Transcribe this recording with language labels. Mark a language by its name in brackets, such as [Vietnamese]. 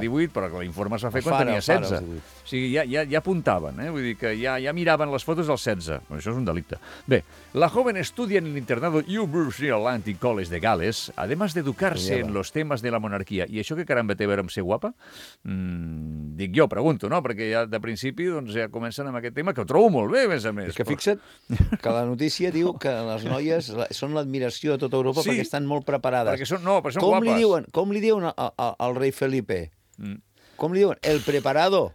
[Catalan] 18, però l'informe es va fer quan tenia 16. O sigui, ja apuntaven, vull dir que ja miraven les fotos dels 16. Però això és un delicte. [Spanish] Bé, la joven estudia en el internado University Atlantic College de Gales, además de educarse en los temas de la monarquia. [Catalan] I això que caramba té a veure amb ser guapa? Dic jo, pregunto, no? Perquè ja de principi doncs, ja comencen amb aquest tema, que ho trobo molt bé, més a més. És que fixa't que la notícia diu que les noies... són l'admiració de tota Europa perquè estan molt preparades. Perquè són com guapes. Com li diuen al rei Felipe? Com li diuen? El preparado.